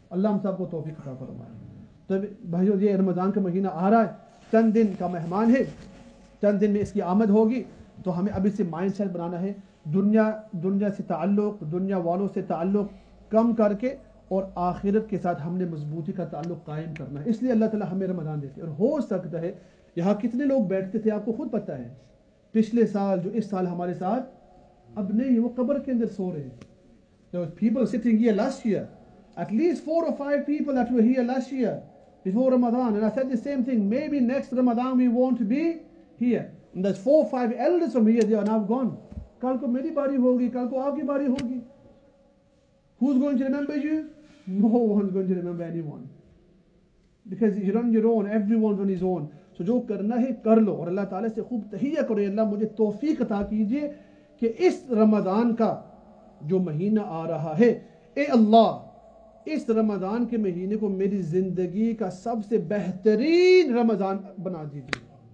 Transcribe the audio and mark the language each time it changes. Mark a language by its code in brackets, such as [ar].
[ur] اللہ ہم سب کو توفیق عطا فرمائے. تو بھائیو یہ رمضان کا مہینہ آ رہا ہے, چند دن کا مہمان ہے, چند دن میں اس کی آمد ہوگی, تو ہمیں ابھی سے مائنڈ سیٹ بنانا ہے, دنیا سے تعلق, دنیا والوں سے تعلق کم کر کے اور آخرت کے ساتھ ہم نے مضبوطی کا تعلق قائم کرنا ہے. اس لیے اللہ تعالیٰ ہمیں رمضان دیتے ہیں. اور ہو سکتا ہے یہاں کتنے لوگ بیٹھتے تھے آپ کو خود پتہ ہے, پچھلے سال جو اس سال ہمارے ساتھ, اب نہیں, وہ قبر کے اندر سو رہے ہیں. [en] There were people sitting here last year, at least 4 or 5 people that were here last year before Ramadan, and I said the same thing, maybe next Ramadan we won't be here, and there's 4 or 5 elders from here, they are now gone. [ur] Kal ko meri bari hogi, kal ko aapki bari hogi, [en] who's going to remember you? No one's going to remember anyone, because you're on your own, everyone's on his own. [ur] So جو کرنا ہے کر لو, اور اللہ تعالیٰ سے خوب تحیا کرو, اللہ مجھے توفیق عطا کیجئے کہ اس رمضان کا جو مہینہ آ رہا ہے, اے اللہ اس رمضان کے مہینے کو میری زندگی کا سب سے بہترین رمضان بنا دیجئے.